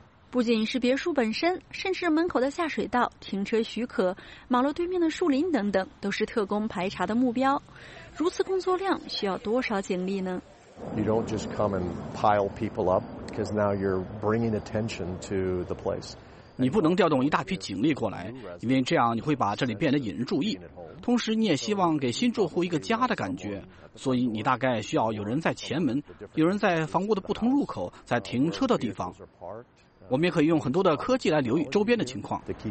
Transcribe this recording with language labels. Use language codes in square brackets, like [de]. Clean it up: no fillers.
[zh] 不仅是别墅本身，甚至门口的下水道、停车许可、马路对面的树林等等，都是特工排查的目标。如此工作量需要多少警力呢？ [en] You don't just come and pile people up, because now you're bringing attention to the place. [zh] 你不能调动一大批警力过来，因为这样你会把这里变得引人注意，同时你也希望给新住户一个家的感觉，所以你大概需要有人在前门，有人在房屋的不同入口，在停车的地方。我们也可以用很多的科技来留意周边的情况。